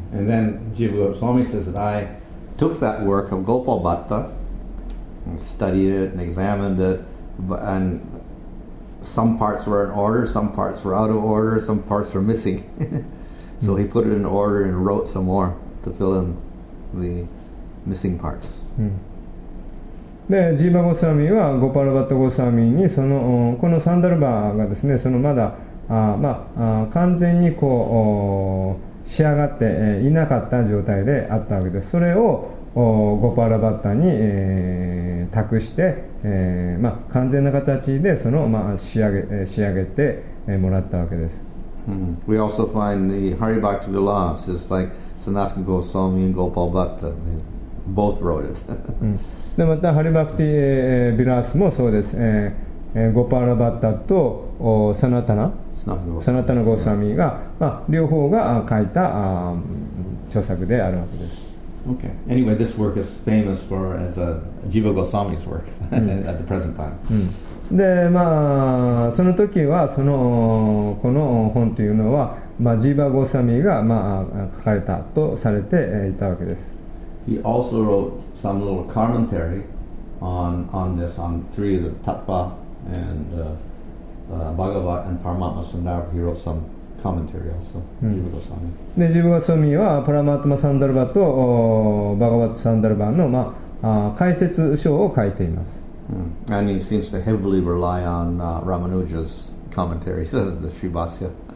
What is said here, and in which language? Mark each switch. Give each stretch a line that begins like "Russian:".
English: And then Jiva Goswami says that I took that work of Gopal Bhatta and studied it and examined it andSome parts were in order, some parts were out of order, some parts were missing. So he put it in order and wrote some more to fill in the missing parts.
Japanese: で、ジーバゴスワミはゴパルバットゴスワミにそのこのサンダルバがですね、そのまだまあ完全にこう仕上がっていなかった状態であったわけです。それをゴパラバッタに、託して、まあ、完全な形でその、まあ、仕上げて、もらったわけです。
English: We also find the Hari Bhakti Vilas is like Sanatana Goswami and Gopal Bhatta. They both wrote it.
Japanese: でまたハリバクティ・ビラスもそうです。ゴパラバッタとサナタナ。サナタナゴスワミが、まあ、両方が書いた著作であるわけです。
English: Okay. Anyway, this work is famous for as a Jiva Goswami's work at the present time.
Japanese: で、まあ、その時はそのこの本というのは、まあ、ジーバ・ゴサミが、まあ、書かれたとされていたわけです。
English: He also wrote some little commentary on this, on three of the Tattva and Bhagavat and Paramatma Sandarbha. He wrote some commentary also, Jiva Goswami.
Japanese: で、ジーバ・ゴサミはパラマトマ・サンダルバとバガバット・サンダルバの、まあ、解説書を書いています。
English: And he seems to heavily rely on Ramanuja's commentary, so that's the Sribhasya.